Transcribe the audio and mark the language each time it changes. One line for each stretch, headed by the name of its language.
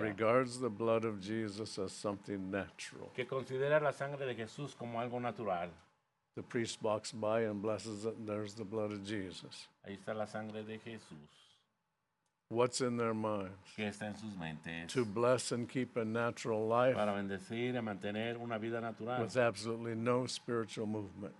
English: Regards the blood of Jesus as something natural.
Spanish: Que considera la sangre de Jesús como algo natural.
English: The priest walks by and blesses it, and there's the blood of Jesus.
Spanish: Ahí está la sangre de Jesús.
English: What's in their minds?
Spanish: ¿Qué está en sus mentes?
English: To bless and keep a natural life.
Spanish: Para bendecir y mantener una vida natural.
English: With absolutely no spiritual movement.